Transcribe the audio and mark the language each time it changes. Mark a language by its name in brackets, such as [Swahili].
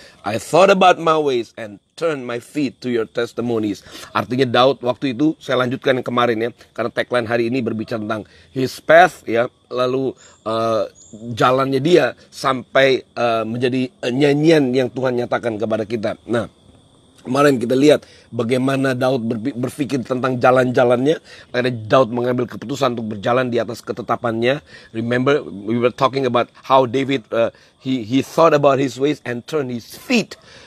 [English] I thought about my ways and turn my feet to your testimonies. [Indonesian] Artinya Daud waktu itu, saya lanjutkan yang kemarin ya, karena tagline hari ini berbicara tentang [English] his path [Indonesian] ya, lalu jalannya dia sampai menjadi nyanyian yang Tuhan nyatakan kepada kita. Nah, kemarin kita lihat bagaimana Daud berpikir tentang jalan-jalannya. Akhirnya Daud mengambil keputusan untuk berjalan di atas ketetapannya. [English] Remember, we were talking about how David he thought about his ways and turned his feet.